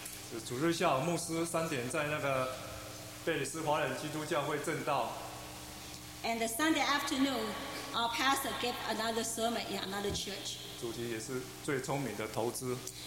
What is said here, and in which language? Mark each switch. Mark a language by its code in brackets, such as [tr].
[zh] 是主日下午牧师三点在那个贝里斯华人基督教会证道。 [en] And the Sunday afternoon, our pastor gave another sermon in another church. [zh] 主题也是最聪明的投资。